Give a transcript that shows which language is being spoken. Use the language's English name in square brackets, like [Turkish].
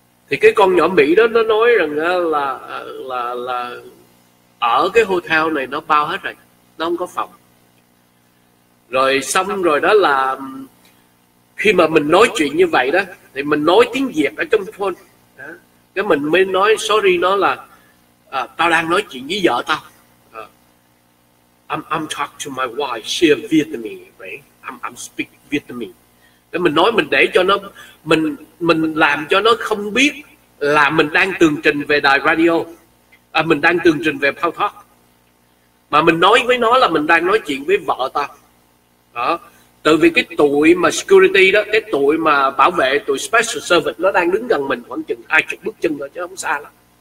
[Vietnamese] Thì cái con nhỏ Mỹ đó nó nói rằng là ở cái hotel này nó bao hết rồi, nó không có phòng. Rồi xong rồi đó là khi mà mình nói chuyện như vậy đó, thì mình nói tiếng Việt ở trong phone đó. Cái mình mới nói sorry nó là tao đang nói chuyện với vợ tao. [English] I'm talking to my wife, she's Vietnamese, right? I'm speak Vietnamese. [Vietnamese] Để mình nói, mình để cho nó, mình làm cho nó không biết là mình đang tường trình về đài radio, mình đang tường trình về Pau Thoát. Mà mình nói với nó là mình đang nói chuyện với vợ ta. Đó. Tại vì cái tụi mà security đó, cái tụi mà bảo vệ, tụi special service nó đang đứng gần mình khoảng chừng 20 bước chân thôi chứ không xa lắm.